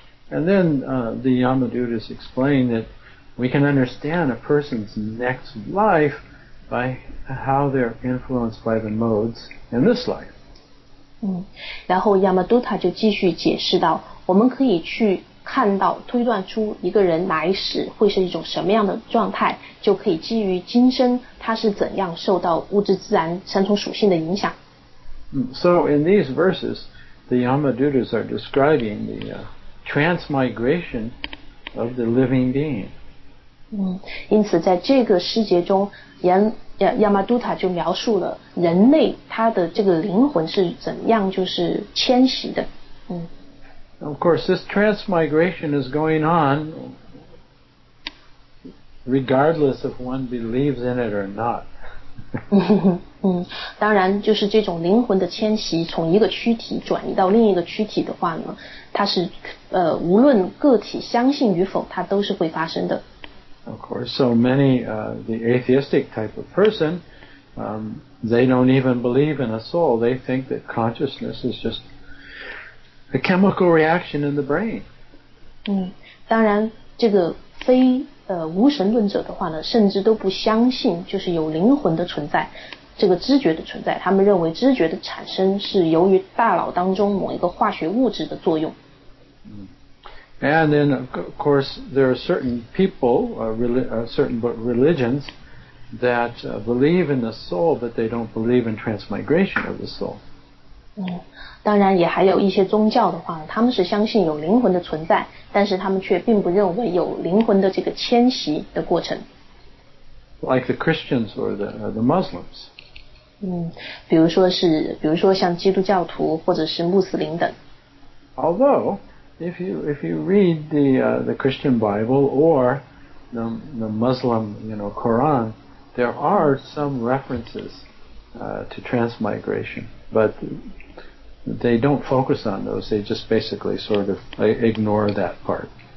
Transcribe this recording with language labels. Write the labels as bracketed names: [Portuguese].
[English] And then the Yamadutas explain that we can understand a person's next life by how they're influenced by the modes in this life. [Chinese] 然后 Yamaduta 就继续解释到，我们可以去看到推断出一个人来世会是一种什么样的状态，就可以基于今生他是怎样受到物质自然三重属性的影响。 [English] So in these verses, the Yamadutas are describing the transmigration of the living being. [Chinese] 因此在这个诗节中，Yamaduta 就描述了人类他的这个灵魂是怎样就是迁徙的。 [English] Of course, this transmigration is going on regardless of one believes in it or not. [Chinese] 当然就是这种灵魂的迁徙从一个躯体转移到另一个躯体的话呢，它是无论个体相信与否，它都是会发生的。 [English] Of course, so many the atheistic type of person, they don't even believe in a soul. They think that consciousness is just a chemical reaction in the brain. [Chinese] 当然这个非无神论者的话呢，甚至都不相信就是有灵魂的存在，这个知觉的存在。他们认为知觉的产生是由于大脑当中某一个化学物质的作用。 [English] And then, of course, there are certain people, certain religions that believe in the soul, but they don't believe in transmigration of the soul. [Chinese] 当然也还有一些宗教的话，他们是相信有灵魂的存在，但是他们却并不认为有灵魂的这个迁徙的过程。 [English] Like the Christians or the Muslims. [Chinese] 比如说像基督教徒或者是穆斯林等。 [English] Although, if you read the Christian Bible or the Muslim, Quran, there are some references to transmigration, but they don't focus on those. They just basically sort of ignore that part.